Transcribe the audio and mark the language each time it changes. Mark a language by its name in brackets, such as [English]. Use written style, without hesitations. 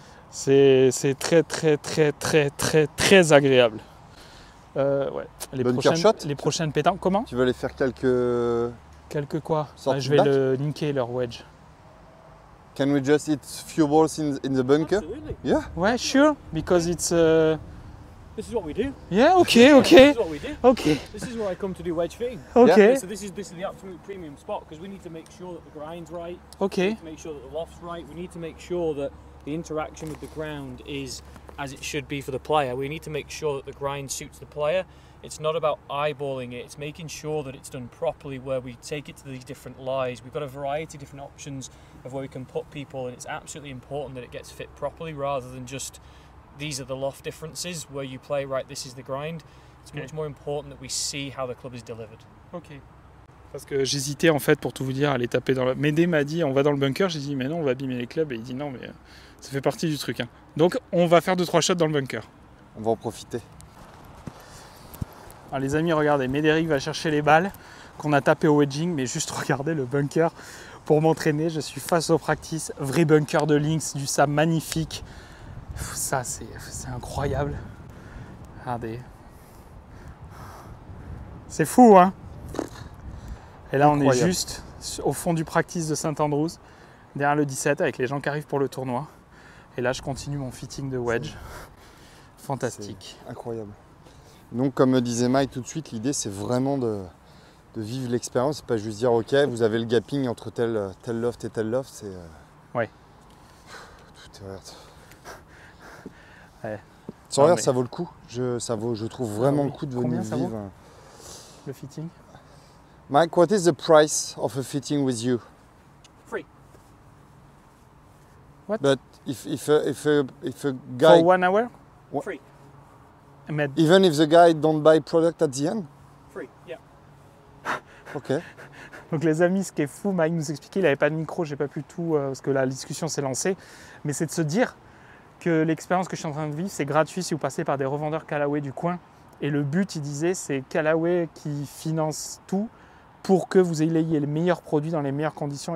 [French] C'est très, très, très, très, très, très agréable. Ouais. Bonne pierre shot. Les prochaines pétanques, comment? Tu veux les faire quelques... Quelques quoi? Ouais, je vais le niquer, leur wedge. [English] Can we just eat few balls in the bunker? Absolutely. Yeah. [French] Ouais, [English] sure. Because it's. This is what we do. Yeah. Okay. Okay. This is what we do. Okay. This is where I come to do wedge thing. Okay. Yeah. So this is the absolute premium spot because we need to make sure that the grind's right. Okay. We need to make sure that the loft's right. We need to make sure that the interaction with the ground is as it should be for the player. We need to make sure that the grind suits the player. It's not about eyeballing it. It's making sure that it's done properly where we take it to these different lies. We've got a variety of different options of where we can put people, and it's absolutely important that it gets fit properly rather than just these are the loft differences where you play right, this is the grind. It's okay. Much more important that we see how the club is delivered. Okay. [French] Parce que j'hésitais en fait, pour tout vous dire, à aller taper dans le... Médé m'a dit on va dans le bunker, j'ai dit mais non, on va abîmer les clubs, et il dit non, mais ça fait partie du truc. Hein. Donc on va faire 2-3 shots dans le bunker. On va en profiter. Alors les amis, regardez, Médéric va chercher les balles qu'on a tapées au wedging, mais juste regardez le bunker pour m'entraîner. Je suis face au practice, vrai bunker de Lynx, du sable magnifique. Ça, c'est incroyable. Regardez. C'est fou, hein? Et là, incroyable. On est juste au fond du practice de Saint-Andrews, derrière le 17, avec les gens qui arrivent pour le tournoi. Et là, je continue mon fitting de wedge. C'est... Fantastique. C'est incroyable. Donc, comme me disait Mike tout de suite, l'idée, c'est vraiment de de vivre l'expérience, c'est pas juste dire ok, vous avez le gapping entre tel loft et tel loft, c'est. Ouais. Tout est vert. Ouais. Sans rien, mais... ça vaut le coup. Je trouve vraiment le coup de venir vivre. Le fitting. [English] Mike, what is the price of a fitting with you? Free. What? But if a guy for 1 hour? Free. Even if the guy don't buy product at the end? Free, yeah. Ok. [French] Donc les amis, ce qui est fou, Mike nous expliquait, il n'avait pas de micro, j'ai pas pu tout parce que la discussion s'est lancée, mais c'est de se dire que l'expérience que je suis en train de vivre, c'est gratuit si vous passez par des revendeurs Callaway du coin. Et le but, il disait, c'est Callaway qui finance tout pour que vous ayez les meilleurs produits dans les meilleures conditions.